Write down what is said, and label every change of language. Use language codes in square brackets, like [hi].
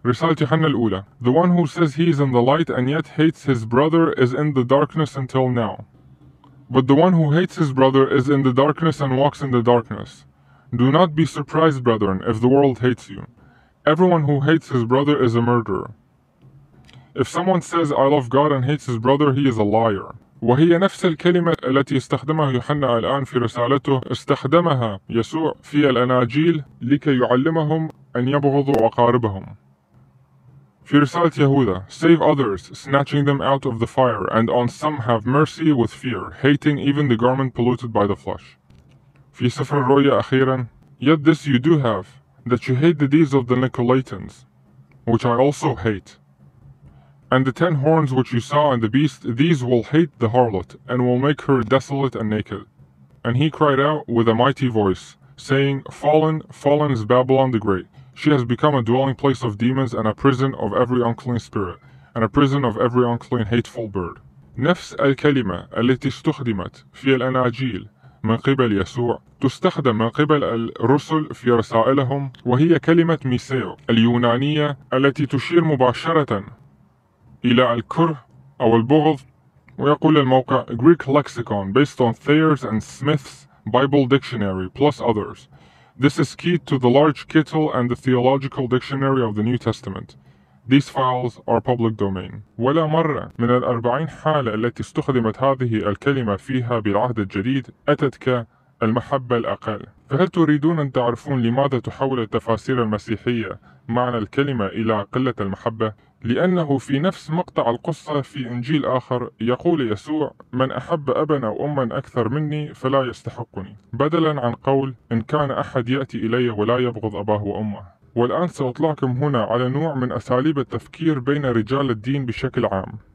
[ar] رسالة يوحنا الأولى: [en] The one who says he is in the light and yet hates his brother is in the darkness until now. But the one who hates his brother is in the darkness and walks in the darkness. Do not be surprised, brethren, if the world hates you. Everyone who hates his brother is a murderer. If someone says, I love God and hates his brother, he is a liar. [ar] وهي نفس الكلمة التي استخدمها يوحنا الآن في رسالته استخدمها يسوع في الأناجيل لكي يعلمهم أن يبغضوا أقاربهم. في رسالة يهوذا [en] Save others, snatching them out of the fire, and on some have mercy with fear, hating even the garment polluted by the flesh. [ar] في سفر الرؤيا أخيرا [en] Yet this you do have, that you hate the deeds of the Nicolaitans, which I also hate. And the 10 horns which you saw and the beast, these will hate the harlot, and will make her desolate and naked. And he cried out with a mighty voice, saying, Fallen, fallen is Babylon the Great. She has become a dwelling place of demons and a prison of every unclean spirit, and a prison of every unclean hateful bird. [ar] نفس الكلمة التي استخدمت في الأناجيل من قبل يسوع تستخدم من قبل الرسل في رسائلهم وهي كلمة ميسيو اليونانية التي تشير مباشرة إلى الكره أو البغض ويقول الموقع [en] Greek lexicon based on Thayer's and Smith's Bible Dictionary plus others. This is keyed to the large Kittel and the Theological Dictionary of the New Testament. These files are public domain. [ar] ولا مرة من الأربعين حالة التي استخدمت هذه الكلمة فيها بالعهد الجديد أتت كالمحبة الأقل. فهل تريدون أن تعرفون لماذا تحول التفاسير المسيحية معنى الكلمة إلى قلة المحبة؟ لأنه في نفس مقطع القصة في إنجيل آخر يقول يسوع من أحب أباً أو أماً أكثر مني فلا يستحقني بدلاً عن قول إن كان أحد يأتي إلي ولا يبغض أباه وأمه والآن سأطلعكم هنا على نوع من أساليب التفكير بين رجال الدين بشكل عام